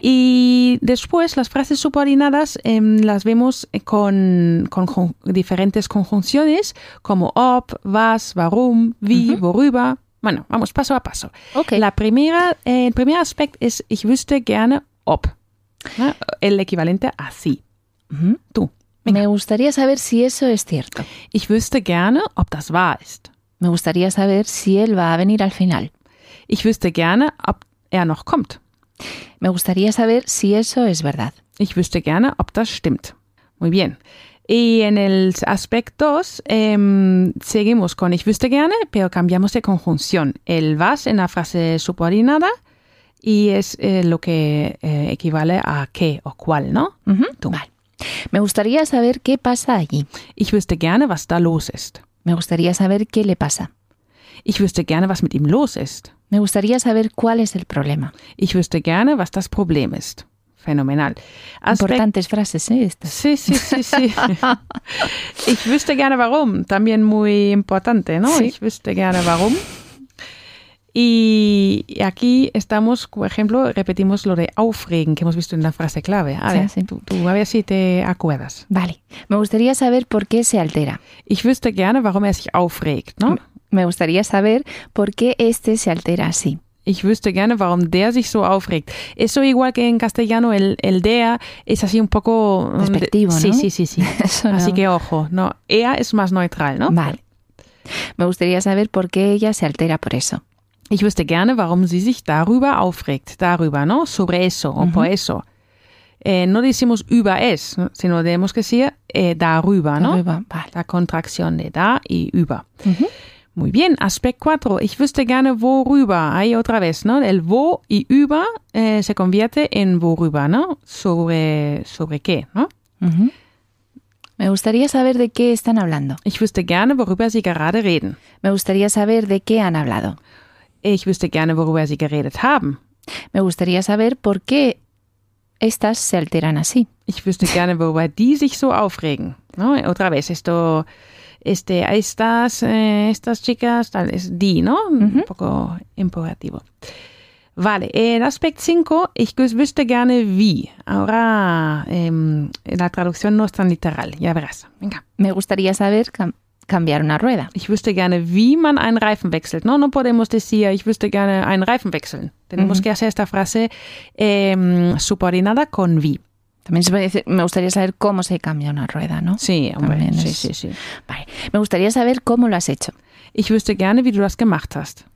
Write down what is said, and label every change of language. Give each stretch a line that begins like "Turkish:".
Spanish: Y después, las frases subordinadas las vemos con diferentes conjunciones, como ob, was, warum, wie, uh-huh, worüber. Bueno, vamos paso a paso. Okay. La primera, el primer aspecto es
German: ich wüsste gerne ob.
Spanish: El equivalente a sí. Uh-huh. Tú. Venga. Me gustaría saber si eso es cierto.
German: Ich wüsste gerne ob das wahr ist.
Spanish: Me gustaría saber si él va a venir al final.
German: Ich wüsste gerne ob er noch kommt.
Spanish: Me gustaría saber si eso es verdad.
German: Ich wüsste gerne ob das stimmt.
Spanish: Muy bien. Y en el aspecto 2, seguimos con
German: ich wüsste gerne,
Spanish: pero cambiamos de conjunción. El was en la frase subordinada y es lo que equivale a qué o cuál, ¿no? Uh-huh. Tú. Vale. Me gustaría saber qué pasa allí.
German: Ich wüsste gerne, was da los ist.
Spanish: Me gustaría saber qué le pasa.
German: Ich wüsste gerne, was mit ihm los ist.
Spanish: Me gustaría saber cuál es el problema.
German: Ich wüsste gerne, was das Problem ist.
Spanish: Fenomenal. Importantes frases, ¿eh? Estas. Sí, sí, sí, sí.
German: Ich wüsste gerne warum.
Spanish: También muy importante, ¿no? Sí.
German: Ich wüsste gerne warum.
Spanish: Y aquí estamos, por ejemplo, repetimos lo de aufregen, que hemos visto en la frase clave. A ver, sí, sí. Tú a ver si te acuerdas. Vale. Me gustaría saber por qué se altera.
German: Ich wüsste gerne warum sich aufregt, ¿no?
Spanish: Me gustaría saber por qué este se altera así.
German: Ich wüsste gerne, warum der sich so aufregt.
Spanish: Eso igual que en castellano, el der es así un poco... Despectivo, ¿no? Sí, sí, sí, sí. Así que ojo, ¿no? Er es más neutral, ¿no? Vale. Me gustaría saber por qué ella se altera por eso.
German: Ich wüsste gerne, warum sie sich darüber aufregt.
Spanish: Darüber, ¿no? Sobre eso, uh-huh, o por eso. No decimos über es, sino tenemos que decir darüber, ¿no? Darüber, vale. La contracción de da y über. Uh-huh. Muy bien, aspect 4.
German: Ich wüsste gerne worüber.
Spanish: Ahí otra vez, ¿no? El wo y über se convierte en worüber, ¿no? Sobre qué, ¿no? Uh-huh. Me gustaría saber de qué están hablando.
German: Ich wüsste gerne worüber sie gerade reden.
Spanish: Me gustaría saber de qué han hablado.
German: Ich wüsste gerne worüber sie geredet haben.
Spanish: Me gustaría saber por qué estas se alteran así.
German: Ich wüsste gerne worüber die sich so aufregen, ¿no?
Spanish: Otra vez, esto... estas chicas, tal, es di, ¿no? Uh-huh. Un poco imperativo. Vale, el aspecto 5,
German: ich wüsste gerne wie.
Spanish: Ahora la traducción no es tan literal, ya verás. Venga. Me gustaría saber cambiar una rueda.
German: Ich wüsste gerne wie man einen Reifen wechselt.
Spanish: No podemos decir
German: ich wüsste gerne einen Reifen wechseln.
Spanish: Tenemos, uh-huh, que hacer esta frase subordinada con wie. También se puede decir, me gustaría saber cómo se cambia una rueda, ¿no? Sí, hombre, también es... sí, sí, sí. Vale. Me gustaría saber cómo lo has hecho.
German: Ich wüsste gerne, wie du das gemacht hast.